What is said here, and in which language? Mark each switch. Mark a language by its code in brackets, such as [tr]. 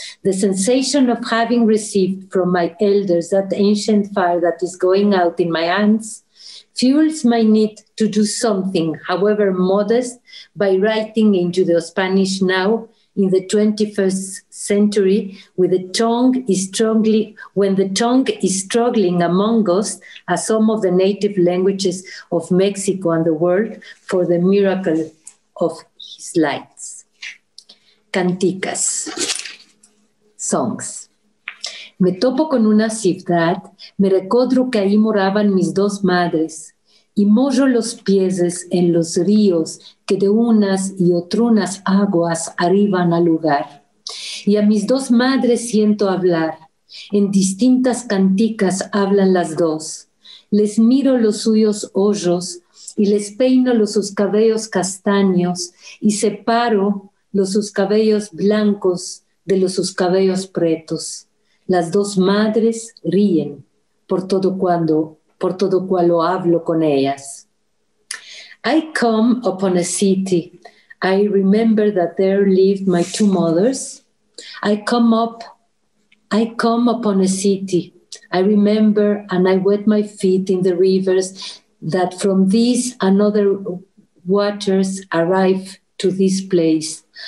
[en] The sensation of having received from my elders that ancient fire that is going out in my hands fuels my need to do something, however modest, by writing in Judeo-Spanish now in the 21st century when the tongue is struggling among us as some of the native languages of Mexico and the world for the miracle of his lights. Canticas. Songs. [lad] Me topo con una ciudad, me recuerdo que ahí moraban mis dos madres, y mojo los pies en los ríos que de unas y otrunas aguas arriban al lugar. Y a mis dos madres siento hablar, en distintas canticas hablan las dos. Les miro los suyos hoyos y les peino los sus cabellos castaños y separo los sus cabellos blancos de los sus cabellos pretos. Las dos madres ríen por todo cuando hablo con ellas. [en] I come upon a city. I remember that there lived my two mothers. I come upon a city. I remember and I wet my feet in the rivers that from these and other waters arrive to this place.